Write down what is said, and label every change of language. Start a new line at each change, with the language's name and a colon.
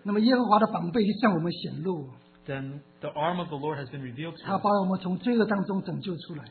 Chinese: 那么耶和华的膀臂向我们显露。
English: Then the arm of the Lord has been revealed to us.
Chinese: 他把我们从罪恶当中拯救出来。